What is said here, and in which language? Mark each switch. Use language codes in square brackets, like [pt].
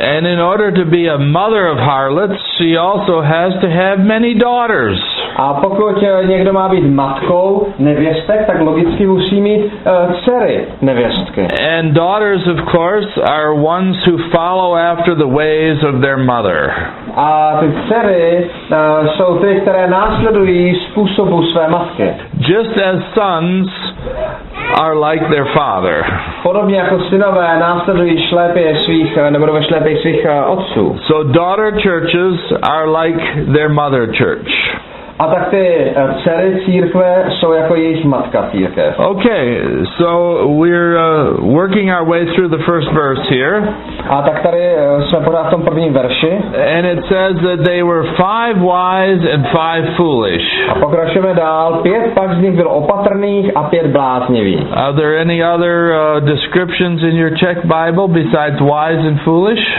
[en] And in order to be a mother of harlots, she also has to have many daughters. [cs] A pokud někdo má být matkou nevěstek, tak logicky musí mít dcery nevěstky. [en] And daughters, of course, are ones who follow after the ways of their mother. [cs] A ty dcery jsou ty, které následují způsobu své matky. [en] Just as sons are like their father. [cs] Podobně jako synové následují šlépě svých nebo ve šlépě svých otců. [en] So daughter churches are like their mother church. [cs] A tak ty dcery církve jsou jako jejich matka církev. [en] Okay, so we're working our way through the first verse here. [cs] A tak tady jsme pořád v tom prvním verši. [en] And it says that they were five wise and five foolish. [cs] A pokračujeme dál. Pět pak z nich bylo opatrných a pět bláznivých. [en] Are there any other descriptions in your Czech Bible besides wise and foolish?